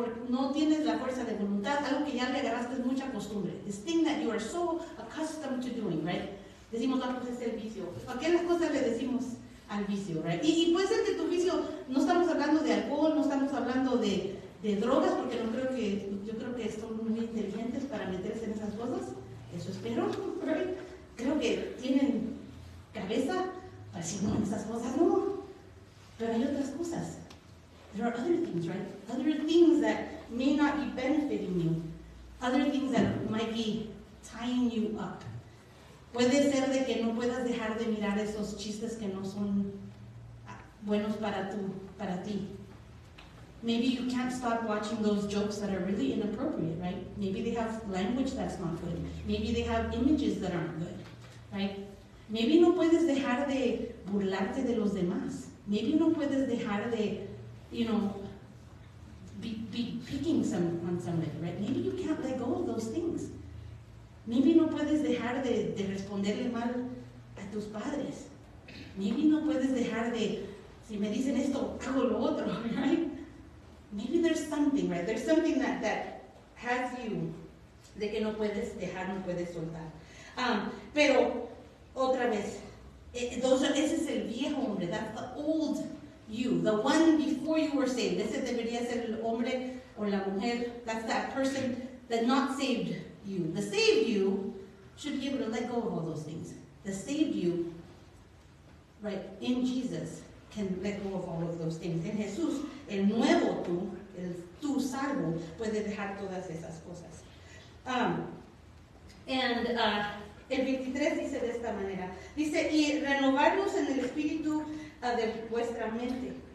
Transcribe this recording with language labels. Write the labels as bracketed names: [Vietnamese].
[Spanish] No tienes la fuerza de voluntad, algo que ya le agarraste mucha costumbre. [English] This thing that you are so accustomed to doing, right? [Spanish] Decimos, ah, pues es el vicio. ¿A qué las cosas le decimos al vicio, right? Y puede ser que tu vicio, no estamos hablando de alcohol, no estamos hablando de drogas, porque yo creo que son muy inteligentes para meterse en esas cosas. Eso espero, right? Creo que tienen cabeza para decir, no, esas cosas no. Pero hay otras cosas. [English] There are other things, right? Other things that may not be benefiting you. Other things that might be tying you up. [Spanish] Puede ser de que no puedas dejar de mirar esos chistes que no son buenos para ti. [English] Maybe you can't stop watching those jokes that are really inappropriate, right? Maybe they have language that's not good. Maybe they have images that aren't good, right? [Spanish] Maybe no puedes dejar de burlarte de los demás. [English] Maybe [Spanish] no puedes dejar de, [English] you know, be picking on somebody, right? Maybe you can't let go of those things. [Spanish] Maybe no puedes dejar de responderle mal a tus padres. Maybe no puedes dejar de, si me dicen esto, hago lo otro, right? [English] Maybe there's something, right? There's something that has you, [Spanish] de que no puedes dejar, no puedes soltar. Pero, otra vez, ese es el viejo hombre, [English] that's the old you, the one before you were saved. [Spanish] Ese debería ser el hombre o la mujer. [English] That's that person that not saved you. The saved you should be able to let go of all those things. The saved you, right, in Jesus, can let go of all of those things. [Spanish] En Jesús, el nuevo tú, el tú salvo, puede dejar todas esas cosas. El 23 dice de esta manera. Dice, y renovarnos en el espíritu de vuestra mente.